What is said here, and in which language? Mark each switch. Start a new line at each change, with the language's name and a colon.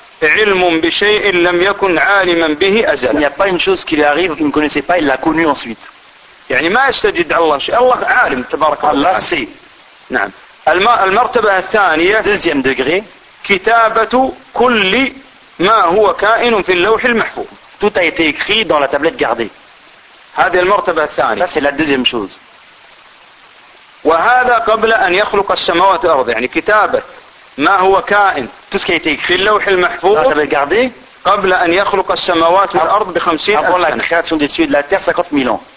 Arabic: علم بشيء لم يكن عالما به أزلا.
French: Il n'y a pas une chose qui lui arrive qu'il ne connaissait pas, il l'a connue ensuite.
Arabic: يعني ما يستجد الله شيء. الله عالم تبارك
French: الله. Allah sait.
Arabic: نعم. المرتبة الثانية
French: deuxième degré
Arabic: كتابة كل ما هو كائن في اللوح المحفوظ.
French: Tout a été écrit dans la tablette gardée.
Arabic: هذه المرتبة الثانية.
French: Ça c'est la deuxième chose.
Arabic: وهذا قبل أن يخلق السماوات والأرض. يعني كتابة ما هو كائن.
French: Tout ce qui a été écrit
Arabic: في اللوح المحفوظ.
French: Dans la tablette gardée.
Arabic: قبل أن يخلق السماوات والأرض بخمسين
French: سنة. Avant la création des cieux de la terre 50,000 ans.